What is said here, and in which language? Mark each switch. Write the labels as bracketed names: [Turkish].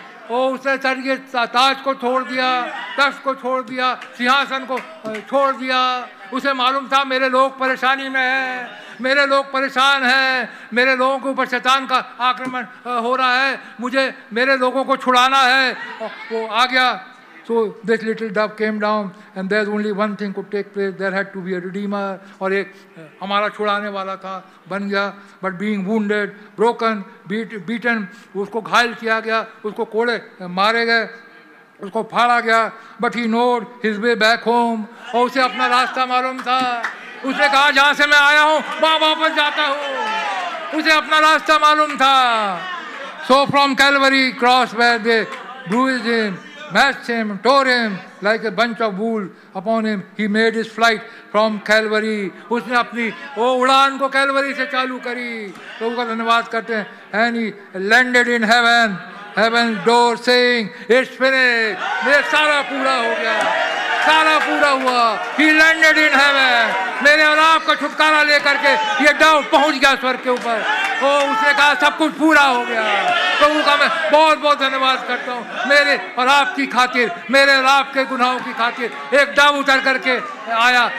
[Hindi] उसने सर ये ताज को छोड़ दिया, तख्त को छोड़ दिया, सिंहासन को छोड़ दिया. उसे मालूम था मेरे लोग परेशानी में हैं, मेरे लोग परेशान हैं, मेरे लोगों के ऊपर शैतान का आक्रमण हो रहा है, मुझे मेरे लोगों को छुड़ाना है. वो आ गया. [English] So this little dove came down, and there's only one thing could take place. There had to be a redeemer. [Hindi] और एक हमारा छुड़ाने वाला था, बन गया. [English] But being wounded, broken, beaten, [Hindi] उसको घायल किया गया, उसको कोड़े मारे गए, उसको फाड़ा गया. [English] But he knowed his way back home. [Hindi] और उसे अपना रास्ता मालूम था. उसने कहा जहाँ से मैं आया हूँ वहाँ वापस जाता हूँ. उसे अपना रास्ता मालूम था. [English] So from Calvary cross where they bruised him, matched him, tore him like a bunch of wool upon him. He made his flight from Calvary. [Hindi] उसने अपनी वो उड़ान को कैलवरी से चालू करी. तो उसका धन्यवाद करते हैं. [English] And he landed in heaven, heaven's door, saying, "It's finished." [Hindi] मेरे सारा पूरा हो गया, सारा पूरा हुआ. [English] He landed in heaven. [Hindi] मेरे और आपका छुटकारा लेकर के ये डाउट पहुंच गया स्वर्ग के ऊपर. ओ उसने कहा सब कुछ पूरा हो गया. प्रभु का मैं बहुत बहुत धन्यवाद करता हूँ. मेरे और आपकी खातिर, मेरे और आपके गुनाहों की खातिर एक डाव उतर करके आया.